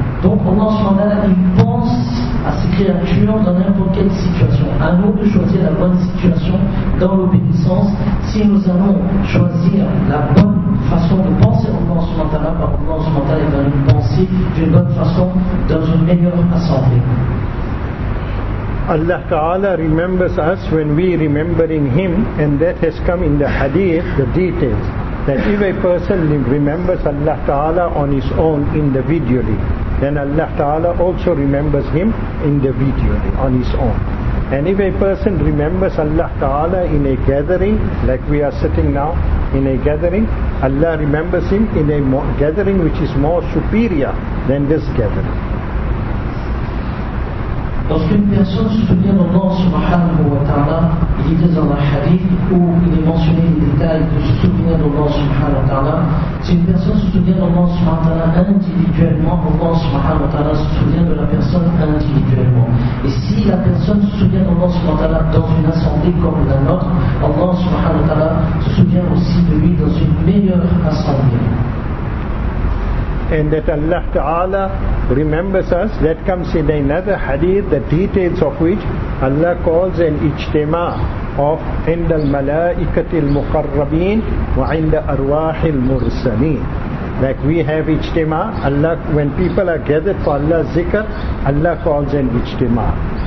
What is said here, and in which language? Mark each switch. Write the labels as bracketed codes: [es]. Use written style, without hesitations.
[fr] Donc Allah subhanahu wa ta'ala, il pense à ses créatures dans n'importe quelle situation. À nous de choisir la bonne situation dans l'obéissance. Si nous allons choisir la bonne façon de penser au plan mental, par le plan mental, il va nous penser d'une bonne façon dans une meilleure assemblée. [en] Allah Ta'ala remembers us when we remembering Him, and that has come in the hadith, the details, that if a person remembers Allah Ta'ala on his own individually, then Allah Ta'ala also remembers him individually on his own. And if a person remembers Allah Ta'ala in a gathering, like we are sitting now in a gathering, Allah remembers him in a gathering which is more superior than this gathering. [fr] Lorsqu'une personne se souvient d'Allah subhanahu wa ta'ala, il est dans un hadith où il est mentionné les détails de se souvenir d'Allah subhanahu wa ta'ala. Si une personne se souvient d'Allah subhanahu wa ta'ala individuellement, Allah subhanahu wa ta'ala se souvient de la personne individuellement. Et si la personne se souvient d'Allah subhanahu wa ta'ala dans une assemblée comme la nôtre, Allah subhanahu wa ta'ala se souvient aussi de lui dans une meilleure assemblée. [en] And that Allah Ta'ala remembers us, that comes in another hadith, the details of which Allah calls an ijtima of [ar] عند الملائكة المقربين وعند أرواح المرسلين. [en] Like we have ijtima, Allah, when people are gathered for Allah's zikr, Allah calls an ijtima.